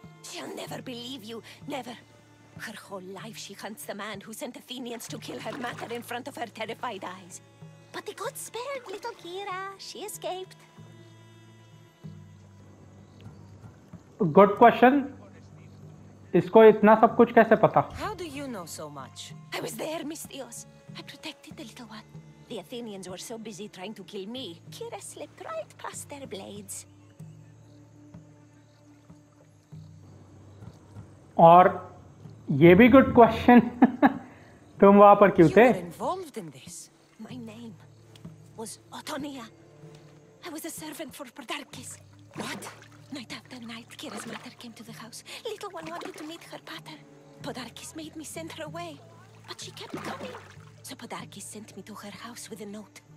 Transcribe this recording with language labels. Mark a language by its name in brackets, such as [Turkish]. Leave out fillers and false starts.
[English] She will never believe you never. Her whole life she hunts the man who sent Athenians to kill her mother in front of her terrified eyes. But the gods spared little Kira. She escaped. Good question. [Hindi] इसको इतना सब कुछ कैसे पता? [English] How do you know so much? I was there, Mistios. I protected the little one. The Athenians were so busy trying to kill me. Kira slipped right past their blades. [Hindi] और ये भी [English] good question. [Hindi] तुम वहाँ पर क्यों थे? [English] You were involved in this. My name. Was Otonia. I was a servant for Podarkis. What? Night after night, Kira's mother came to the house. Little one wanted to meet her pater. Podarkis made me send her away. But she kept coming. So Podarkis sent me to her house with a note.